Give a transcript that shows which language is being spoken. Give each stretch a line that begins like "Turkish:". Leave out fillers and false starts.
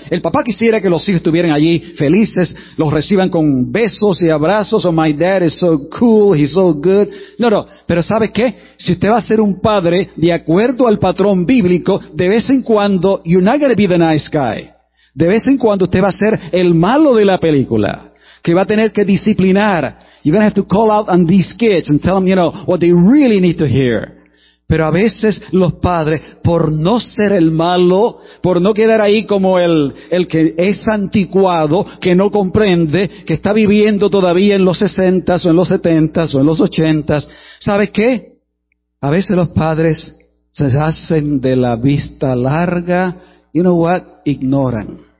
Spanish: El papá quisiera que los hijos estuvieran allí felices, los reciban con besos y abrazos,
English: oh, my dad is so cool, he's so good.
Spanish: No, no, pero ¿sabes qué? Si usted va a ser un padre, de acuerdo al patrón bíblico, de vez en cuando,
English: you're not gonna be the nice guy.
Spanish: De vez en cuando usted va a ser el malo de la película, que va a tener que disciplinar.
English: You're gonna have to call out on these kids and tell them, you know, what they really need to hear.
Spanish: Pero a veces los padres, por no ser el malo, por no quedar ahí como el que es anticuado, que no comprende, que está viviendo todavía en los 60s o en los 70s o en los 80s, ¿sabes qué? A veces los padres se hacen de la vista larga,
English: you know what,
Spanish: ignoran.